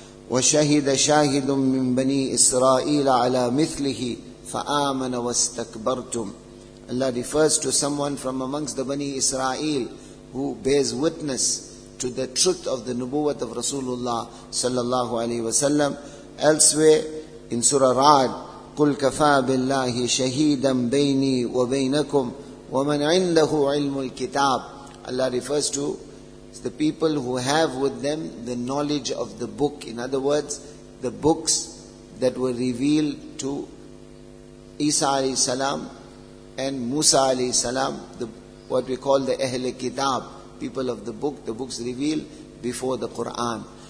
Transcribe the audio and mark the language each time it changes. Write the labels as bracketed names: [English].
[Arabic] وَشَهِدَ شَاهِدٌ مِّن بَنِي إِسْرَائِيلَ عَلَىٰ مِثْلِهِ فَآمَنَ وَاسْتَكْبَرْتُمْ. [English] Allah refers to someone from amongst the Bani Israel who bears witness to the truth of the nubuwwat of Rasulullah [Arabic] sallallahu alayhi wa sallam. [English] Elsewhere in Surah Ra'd, [Arabic] قُلْ كَفَى بِاللَّهِ شَهِيدًا بَيْنِي وَبَيْنَكُمْ وَمَنْ عِنْدَهُ عِلْمُ الْكِتَابِ. [English] Allah refers to the people who have with them the knowledge of the book. In other words, the books that were revealed to Isa alayhi salam and Musa alayhi salam, what we call the Ahl-Kitab, people of the book, the books revealed before the Quran.